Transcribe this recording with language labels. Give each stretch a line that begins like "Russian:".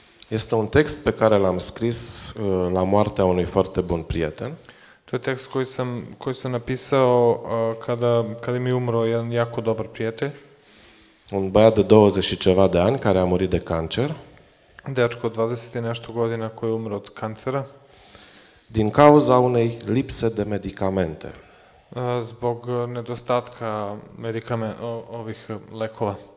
Romanian: Este un text pe care l-am scris la moartea unui foarte bun prieten.
Serbian: To je tekst koji sam napisao kada mi umro jedan jako dobar prijatelj.
Romanian: Un băiat de 20 și ceva de ani care a murit de cancer.
Serbian: Dečko od 20 i nešto godina koji je umro od kancera.
Romanian: Din cauza unei lipse de medicamente.
Serbian: Zbog nedostatka ovih lekova.